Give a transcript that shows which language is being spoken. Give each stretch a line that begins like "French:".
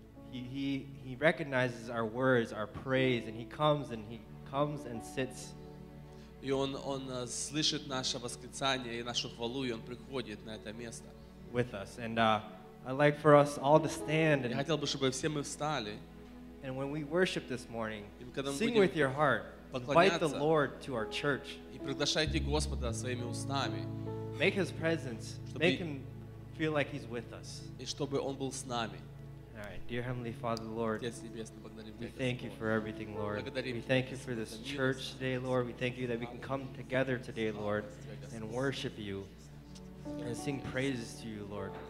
English: He recognizes our words, our praise, and He comes and sits.
Russian: И он слышит наше восклицание и нашу хвалу, и он приходит на это место.
English: With us, and I'd like for us all to stand.
Russian: Я хотел бы, чтобы все мы встали.
English: And when we worship this morning, sing with your heart. Invite the Lord to our church.
Russian: И приглашайте Господа своими устами.
English: Make His presence. Make Him feel like He's with us.
Russian: И чтобы он был с нами.
English: Alright, dear Heavenly Father, Lord, we thank you for everything, Lord. We thank you for this church today, Lord. We thank you that we can come together today, Lord, and worship you and sing praises to you, Lord.